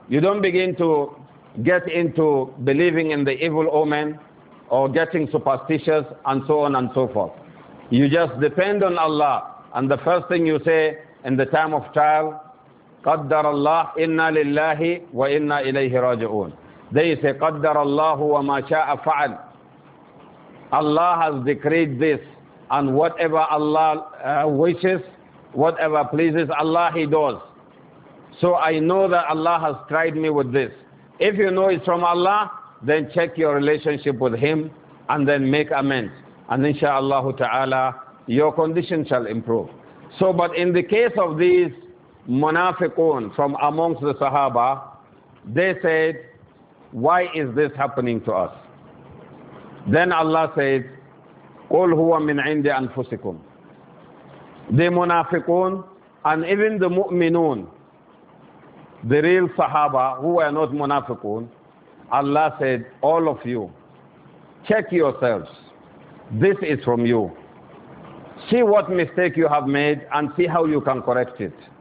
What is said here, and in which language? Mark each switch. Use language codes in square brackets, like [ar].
[en] You don't begin to get into believing in the evil omen or getting superstitious and so on and so forth. You just depend on Allah, and the first thing you say in the time of trial, [ar] قَدَّرَ اللَّهُ إِنَّا لِلَّهِ وَإِنَّا إِلَيْهِ رَاجِعُونَ. [en] They say, [ar] قَدَّرَ اللَّهُ وَمَا شَاءَ فَعَلْ. [en] Allah has decreed this, and whatever Allah wishes, whatever pleases Allah, He does. So I know that Allah has tried me with this. If you know it's from Allah, then check your relationship with Him and then make amends. And inshallah ta'ala, your condition shall improve. So, but in the case of these munafiqun from amongst the Sahaba, they said, why is this happening to us? Then Allah said, [ar] قُلْ هُوَ مِنْ عِنْدِ أَنفُسِكُمْ. [en] The munafiqun and even the mu'minun, the real sahaba who were not munafiqun, Allah said, all of you, check yourselves. This is from you. See what mistake you have made and see how you can correct it.